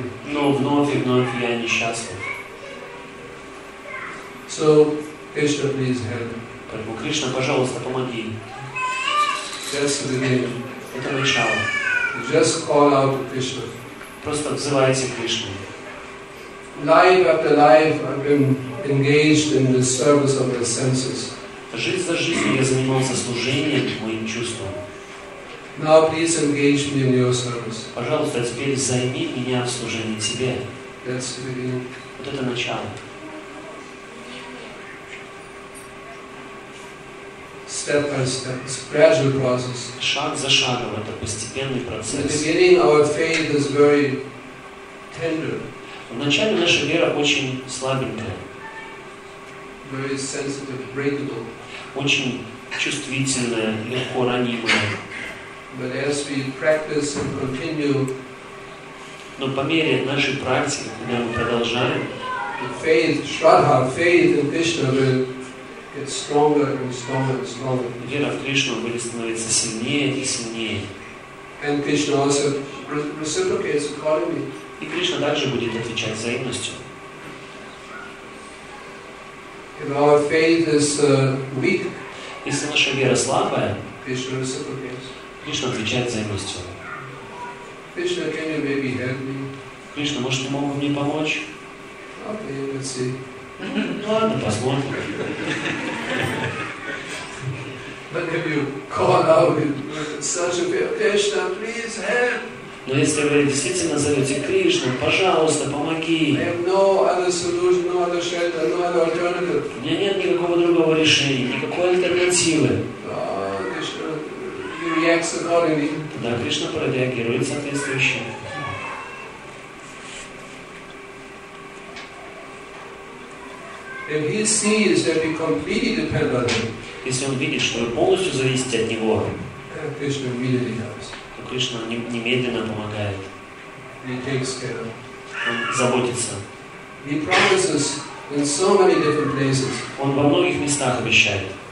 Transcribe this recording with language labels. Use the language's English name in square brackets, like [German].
[Russian] но вновь и вновь я несчастлив. [English] So, Krishna, please help. [Russian] Поэтому, Кришна, пожалуйста, помоги. [English] That's the beginning. [Russian] Это начало. [English] Just call out to Krishna. [Russian] Просто взывайте Кришну. [English] Life after life I've been engaged in the service of the senses. [Russian] Жизнь за жизнью я занимался служением моим чувствам. [English] Now please engage me in your service. [Russian] Пожалуйста, теперь займи меня в служении тебе. [English] That's the beginning. [Russian] Вот это начало. [English] Step by step, it's a gradual process. [Russian] Шаг за шагом, это постепенный процесс. [English] In the beginning, our faith is very tender. [Russian] Вначале наша вера очень слабенькая. [English] Very sensitive, breakable. [Russian] Очень чувствительная, легко ранимая. [English] But as we practice and continue, [Russian] но по мере нашей практики, когда мы продолжаем, [English] the faith, Shraddha, faith in Krishna will get stronger and stronger and stronger. [Russian] Вера в Кришну будет становиться сильнее и сильнее. [English] And Krishna also reciprocates accordingly. [Russian] И Кришна также будет отвечать взаимностью. [English] If our faith is weak, [Russian] если наша вера слабая, [English] Krishna reciprocates. [Russian] Кришна отвечает взаимностью. [English] Krishna, can you maybe help me? [Russian] Кришна, может, ты мог бы мне помочь? [English] Okay, let's see. [Russian] Ну ладно, посмотрим. [English] But if you call out with such a fear, Krishna, please help. [Russian] Но если вы действительно зовете Кришну, пожалуйста, помоги. [English] I have no other solution, no other shelter, no other alternative. [Russian] У меня нет никакого другого решения, никакой альтернативы. [English] Krishna, you react accordingly. [Russian] Да, Кришна прореагирует соответствующе. [English] If he sees that we completely depend on him, [Russian] если он видит, что вы полностью зависите от него, [English] Krishna immediately helps. [Russian] То Кришна немедленно помогает. [English] He takes care. [Russian] Он заботится. [English] He promises in so many different places. [Russian] Он во многих местах обещает.